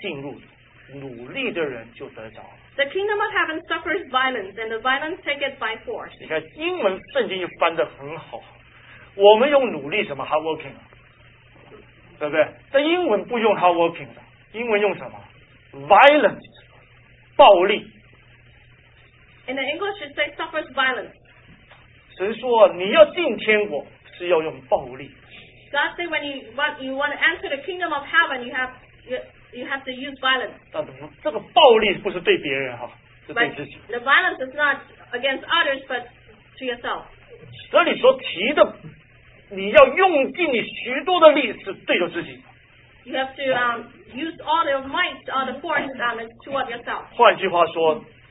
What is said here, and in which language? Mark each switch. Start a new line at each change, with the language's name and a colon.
Chinese: 那里说，天，这个天国是努力进入的，努力的人就得着。
English: The kingdom of heaven suffers violence, and the violent take it by force.
Chinese: 你看，英文圣经翻得很好。我们用努力什么
English: hard working
Chinese: 对不对？但英文不用 hard working 的，英文用什么
English: violence
Chinese: 暴力
English: ？In the English, it says suffers violence.
Chinese: 神说你要进天国是要用暴力
English: ？God say when you want to enter the kingdom of heaven, you have to use violence.
Chinese: 但这个暴力不是对别人哈，是对自己。
English: The violence is not against others, but to yourself.
Chinese: 这里所提的。你要用尽你许多的力是对着自己。
English: You have to use all your might, all the force toward yourself.